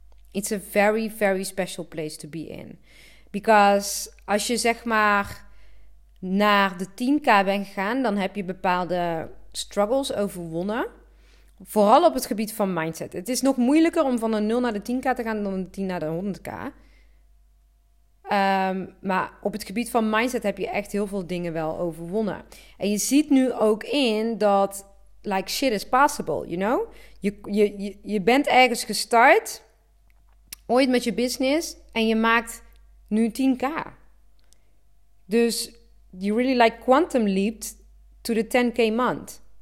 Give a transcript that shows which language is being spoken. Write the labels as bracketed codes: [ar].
[en] It's a very, very special place to be in. Because [nl] als je zeg maar naar de 10k ben gegaan, dan heb je bepaalde struggles overwonnen. Vooral op het gebied van mindset. Het is nog moeilijker om van de 0 naar de 10k te gaan dan van de 10 naar de 100k. Maar op het gebied van mindset heb je echt heel veel dingen wel overwonnen. En je ziet nu ook in dat [en] like shit is possible, you know? [nl] Je bent ergens gestart, ooit met je business, en je maakt nu 10k. Dus [en] you really like quantum leaped to the 10k month.